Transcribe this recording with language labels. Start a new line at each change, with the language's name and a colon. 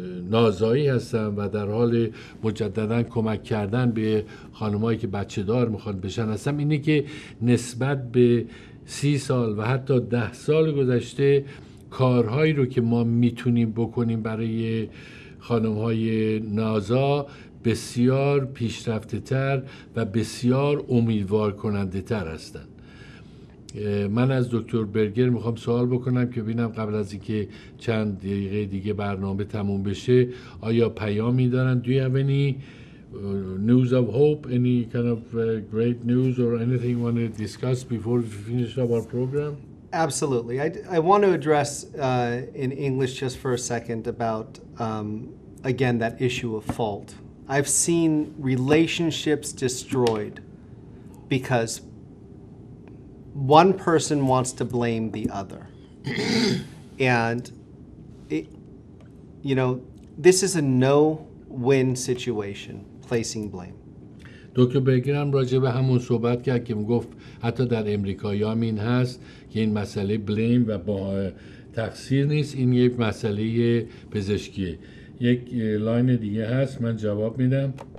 Persian: نازایی هستم و در حال مجددن کمک کردن به خانمایی که بچه دار میخوان بشن هستم، اینه که نسبت به 30 سال و حتی 10 سال گذشته کارهایی رو که ما میتونیم بکنیم برای خانمهای نازا بسیار پیشرفته تر و بسیار امیدوار کننده تر هستن. من از دکتر برگر میخوام سوال بکنم که ببینم قبل از اینکه چند دقیقه دیگه برنامه تموم بشه آیا پیامی دارن.
English: Do you have any news of hope, any kind of great news or anything you want to discuss before we finish up our program? Absolutely. I want to address in English just for a second about again that issue of fault. I've seen relationships destroyed because one person wants to blame the other. And it, you know, this is a no-win situation, placing blame.
Persian: دکتر بگرام راجع به همون صحبت کرد که میگفت حتی در امریکایی هم این هست که این مسئله بلیم و با تقصیر نیست، این یک مسئله پزشکیه. یک لاین دیگه هست، من جواب میدم.